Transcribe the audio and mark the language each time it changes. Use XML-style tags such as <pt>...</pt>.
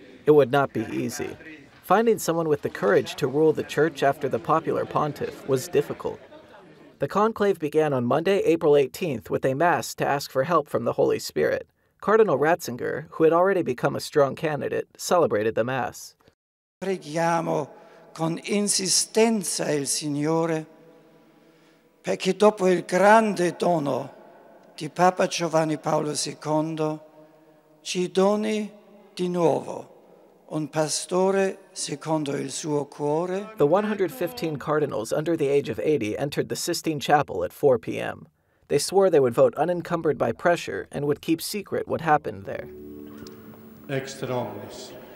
<en>It would not be easy. Finding someone with the courage to rule the church after the popular pontiff was difficult. The conclave began on Monday, April 18th, with a mass to ask for help from the Holy Spirit. Cardinal Ratzinger, who had already become a strong candidate, celebrated the mass.</en> <it>Preghiamo con insistenza il Signore, perché dopo il grande dono di Papa Giovanni Paolo II, ci doni di nuovo un pastore secondo il suo cuore.</it> <en>The 115 cardinals under the age of 80 entered the Sistine Chapel at 4 p.m. They swore they would vote unencumbered by pressure and would keep secret what happened there.</en> <la>Exter omnes.</la>